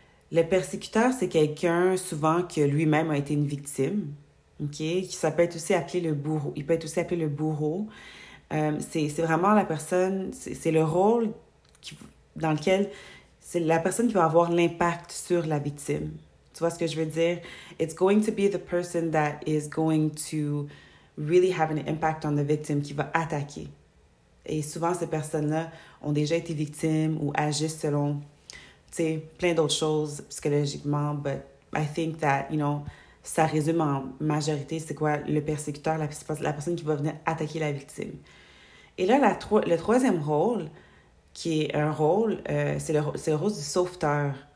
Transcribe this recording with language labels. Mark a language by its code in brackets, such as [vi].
[fr] Le persécuteur, c'est quelqu'un, souvent, qui lui-même a été une victime. OK? Ça peut être aussi appelé le bourreau. Il peut être aussi appelé le bourreau. C'est vraiment la personne, c'est le rôle dans lequel c'est la personne qui va avoir l'impact sur la victime. Tu vois ce que je veux dire? [en] It's going to be the person that is going to really have an impact on the victim, [fr] qui va attaquer. Et souvent, ces personnes-là ont déjà été victimes ou agissent selon, tu sais, plein d'autres choses psychologiquement. [en] But I think that, you know, [fr] ça résume en majorité, c'est quoi? Le persécuteur, la personne qui va venir attaquer la victime. Et là, le troisième rôle, qui est un rôle, c'est le rôle du sauveteur.